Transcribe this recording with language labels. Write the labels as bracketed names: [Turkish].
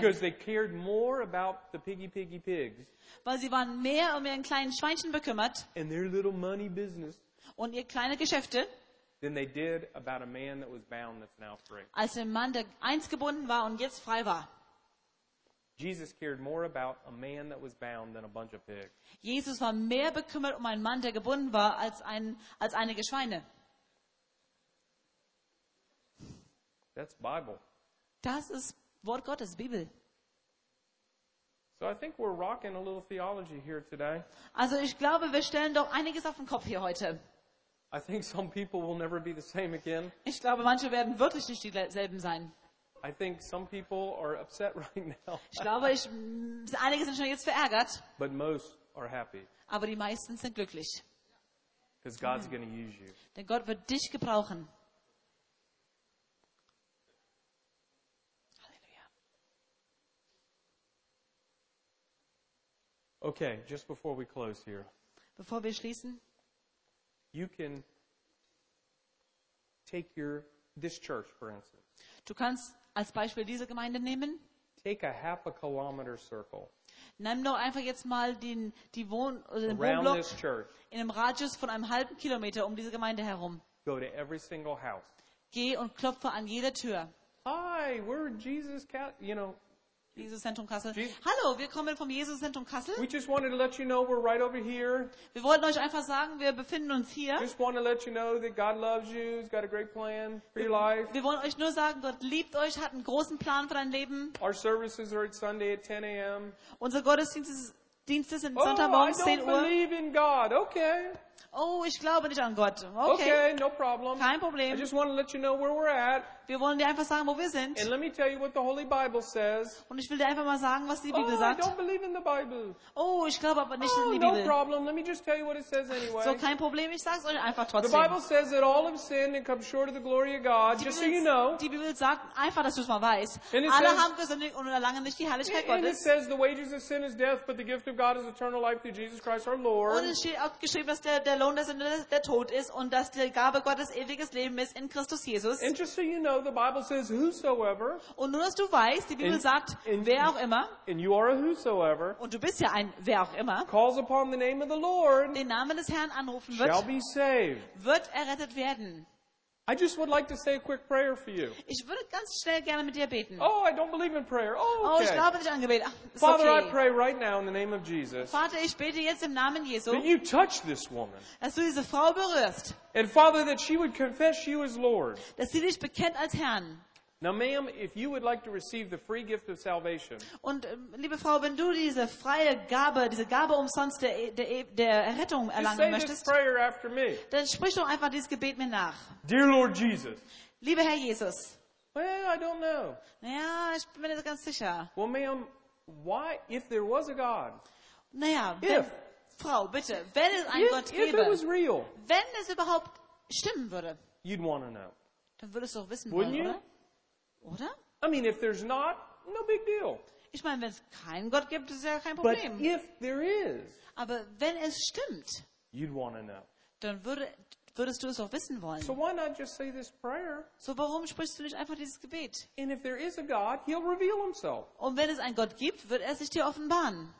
[English] Because they cared more about the piggy, piggy, pigs. [German] Weil sie waren mehr um ihren kleinen Schweinchen bekümmert. [English] And their little money business. [German] Und ihr kleine Geschäfte. [English] Than they did about a man that was bound that's now free. [German] Als ein Mann, der einst gebunden war und jetzt frei war. [English] Jesus cared more about a man that was bound than a bunch of pigs. [German] Jesus war mehr bekümmert um einen Mann, der gebunden war, als einige Schweine. [English] That's Bible. [German] Das ist Wort Gottes, Bibel. [English] So I think we're rocking a little theology here today. [German] Also ich glaube, wir stellen doch einiges auf den Kopf hier heute. [English] I think some people will never be the same again. [German] Ich glaube, manche werden wirklich nicht dieselben sein. [English] I think some people are upset right now. [German] Ich glaube, einige sind schon jetzt verärgert. [English] But most are happy. [German] Aber die meisten sind glücklich. [English] Because God's going to use you. [German] Denn Gott wird dich gebrauchen. Halleluja. [English] Okay, just before we close here. [German] Bevor wir schließen. [English] You can take this church, for instance. [German] Du kannst als Beispiel diese Gemeinde nehmen. [English] Take a half a kilometer circle. [German] Nimm doch einfach jetzt mal den Wohnblock in einem Radius von einem halben Kilometer um diese Gemeinde herum. [English] Go to every single house. [German] Geh und klopfe an jeder Tür. [English] Hi, we're Jesus Catholic, you know. [German] Jesus Zentrum Kassel. Hallo, wir kommen vom Jesus Zentrum Kassel. [English] We just wanted to let you know we're right over here. [German] Wir wollten euch einfach sagen, wir befinden uns hier. [English] Just want to let you know that God loves you. He's got a great plan for your life. [German] Wir wollen euch nur sagen, Gott liebt euch, hat einen großen Plan für dein Leben. [English] Our services are at Sunday at 10 a.m. [German] Unser Gottesdienst ist am Sonntagmorgen 10 Uhr. [English] Oh, I don't believe in God. Okay. [German] Oh, ich glaube nicht an Gott. Okay. [English] Okay, no problem. [German] Kein Problem. [English] I just want to let you know where we're at. [German] Wir wollen dir einfach sagen, wo wir sind. [English] And let me tell you what the Holy Bible says. [German] Und ich will dir einfach mal sagen, was die Bibel sagt. [English] Oh, I don't believe in the Bible. [German] Oh, ich glaube aber nicht in die [English] no [German] Bibel. [English] No problem. Let me just tell you what it says anyway. [German] So kein Problem. Ich sage es euch einfach trotzdem. [English] The Bible says that all have sinned and come short of the glory of God. Just so you know. [German] Die Bibel sagt einfach, dass du es mal weißt. Alle haben gesündigt und erlangen nicht die Herrlichkeit Gottes. [English] And it says the wages of sin is death, but the gift of God is eternal life through Jesus Christ our Lord. [German] Und es steht auch geschrieben, dass der Lohn der Sünde der Tod ist und dass die Gabe Gottes ewiges Leben ist in Christus Jesus. [English] Interesting, you know, the Bible says whosoever. [German] Und nur, dass du weißt, die Bibel sagt, wer auch immer. [English] And you are a whosoever. [German] Und du bist ja ein wer auch immer. [English] Calls upon the name of the Lord. [German] Den Namen des Herrn anrufen wird. [English] Shall be saved. [German] Wird errettet werden. [English] I just would like to say a quick prayer for you. [German] Ich würde ganz schnell gerne mit dir beten. [English] Oh, I don't believe in prayer. Oh, okay. [German] Oh, ich glaube nicht an Gebet. Ach, ist [English] Father, [German] okay. [English] I pray right now in the name of Jesus. [German] Vater, ich bete jetzt im Namen Jesu. [English] That you touch this woman. [German] Dass du diese Frau berührst. [English] And Father, that she would confess you as Lord. [German] Dass sie dich bekennt als Herrn. [English] Now, ma'am, if you would like to receive the free gift of salvation. [German] Und liebe Frau, wenn du diese freie Gabe, diese Gabe umsonst der Errettung erlangen [English] say [German] möchtest, [English] this prayer after me. [German] Dann sprich doch einfach dieses Gebet mir nach. [English] Dear Lord Jesus. [German] Lieber Herr Jesus. [English] Well, I don't know. [German] Naja, ich bin mir nicht ganz sicher. [English] Well, ma'am, why, if there was a God? [German] Naja, Frau, bitte, wenn es einen Gott gäbe, [English] if it was real, [German] wenn es überhaupt stimmen würde, [English] you'd want to know. [German] Dann würdest du auch wissen [English] wouldn't you? [German] Oder? Oder? [English] I mean, if there's not, no big deal. [German] Ich meine, wenn es keinen Gott gibt, ist ja kein [English] But [German] Problem. [English] If there is, [German] aber wenn es stimmt, [English] you'd wanna know. [German] Dann würdest du es auch wissen wollen. [English] So, why not just say this prayer? [German] So warum sprichst du nicht einfach dieses Gebet? [English] And if there is a God, he'll reveal himself. [German] Und wenn es einen Gott gibt, wird er sich dir offenbaren.